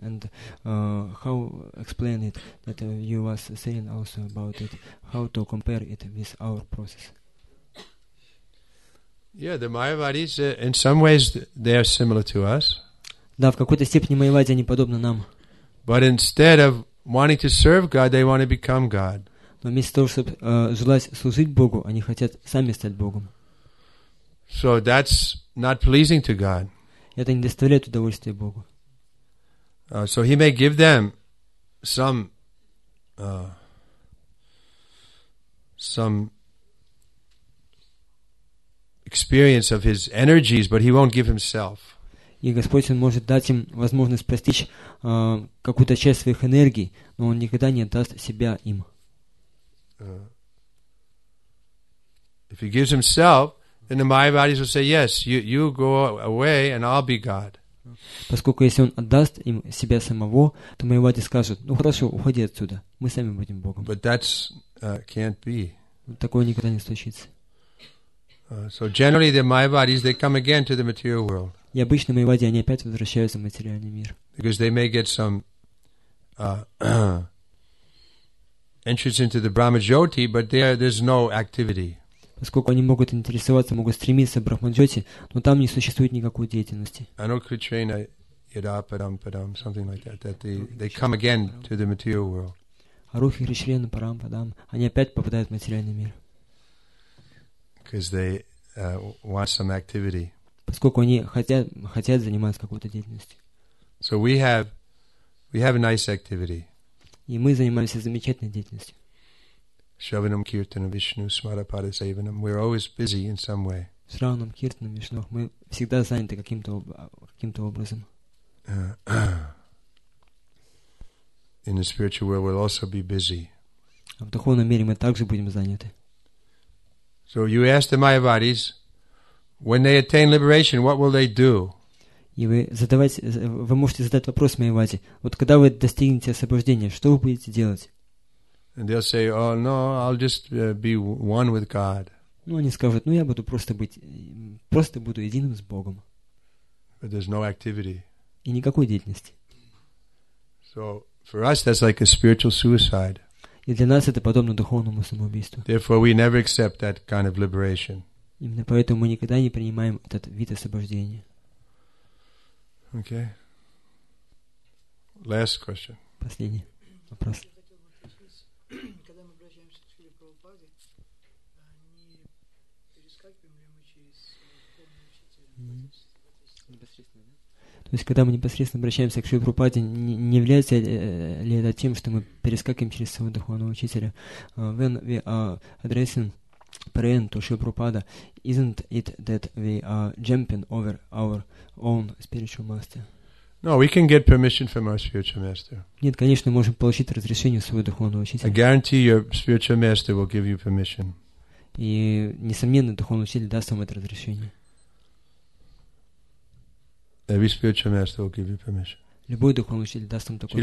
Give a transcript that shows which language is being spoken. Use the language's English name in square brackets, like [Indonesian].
[English] And how explain it that you was saying also about it? How to compare it with our process? Yeah, the Mayavadis, in some ways, they are similar to us. [Russian] Да, в какой-то степени Майявади они подобны нам. [English] But instead of wanting to serve God, they want to become God. [Russian] Но вместо того, чтобы желать служить Богу, они хотят сами стать Богом. [English] So that's not pleasing to God. [Russian] Это не доставляет удовольствия Богу. [English] So He may give them some experience of his energies, but he won't give himself. [Russian] И Господь может дать им возможность постичь какую-то часть своих энергий, но он никогда не отдаст себя им. [English] If he gives himself, then the Mayavadis will say, "Yes, you go away, and I'll be God." [Russian] Поскольку если он отдаст им себя самого, то Майявади скажут: "Ну хорошо, уходи отсюда, мы сами будем Богом." [English] But that's can't be. [Russian] Такое никогда не случится. [English] So generally, the Mayavadis, they come again to the material world. [Russian] И обычно Майявади они опять возвращаются в материальный мир. [English] Because they may get some entrance into the Brahmajyoti, but there's no activity. [Russian] Поскольку они могут интересоваться, могут стремиться к Брахмаджоти, но там не существует никакой деятельности. [Sanskrit] Anukritrena yadaparam padam, [English] something like that, that they come again to the material world. [Russian] Арухи Кришрена парам падам, они опять попадают в материальный мир. [English] Because they want some activity. [Russian] Поскольку они хотят заниматься какой-то деятельностью. [English] So we have a nice activity. [Russian] И мы занимаемся замечательной деятельностью. [English] Shravanam, Kirtanam, Vishnu, Smarapada, Sevanam. We're always busy in some way. [Sanskrit] Shravanam, Kirtanam, Vishnu. [Russian] Мы всегда заняты каким-то образом. [English] In the spiritual world, we'll also be busy. [Russian] В духовном мире мы также будем заняты. [English] So you ask the Mayavadis, when they attain liberation, what will they do? [Russian] И вы можете задать вопрос Майавади. Вот когда вы достигнете освобождения, что вы будете делать? [English] And they'll say, oh, no, I'll just be one with God. [Russian] Ну, они скажут, ну, я буду просто буду единым с Богом. [English] But there's no activity. [Russian] И никакой деятельности. [English] So, for us, that's like a spiritual suicide. [Russian] И для нас это подобно духовному самоубийству. [English] Therefore, we never accept that kind of liberation. [Russian] Именно поэтому мы никогда не принимаем этот вид освобождения. [English] Okay. Last question. [Russian] Последний вопрос. Когда мы обращаемся к Шриле Прабхупаде, не перескакиваем ли мы через непосредственно, да? То есть, когда мы непосредственно обращаемся к Шриле Прабхупаде, не является ли это тем, что мы перескакиваем через своего духовного учителя? [English] When we are addressing praying to Shri Prabhupada, isn't it that we are jumping over our own spiritual master? No, we can get permission from our spiritual master. [Russian] Нет, конечно, можем получить разрешение своего духовного учителя. [English] I guarantee your spiritual master will give you permission. [Russian] И несомненно, духовный учитель даст вам это разрешение. [English] Every spiritual master will give you permission. [Russian] Любой духовный учитель даст вам такое